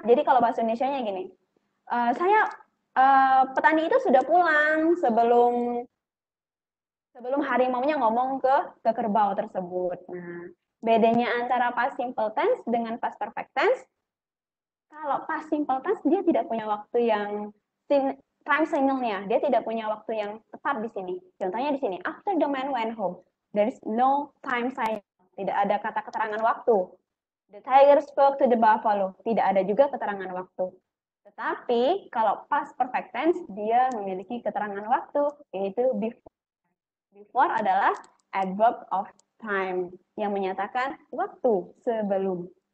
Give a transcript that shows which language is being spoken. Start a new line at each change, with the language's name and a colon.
Indonesian: Jadi kalau bahasa Indonesia-nya gini, saya petani itu sudah pulang sebelum sebelum harimau-nya ngomong ke kerbau tersebut. Nah, bedanya antara past simple tense dengan past perfect tense, kalau past simple tense dia tidak punya waktu yang time signal-nya, dia tidak punya waktu yang tepat di sini. Contohnya di sini,
English: after the man went home, there is no time signal.
Indonesian: Tidak ada kata keterangan waktu.
English: The tiger spoke to the buffalo.
Indonesian: Tidak ada juga keterangan waktu. Tetapi kalau past perfect tense dia memiliki keterangan waktu, yaitu before. Before adalah adverb of time yang menyatakan waktu sebelum.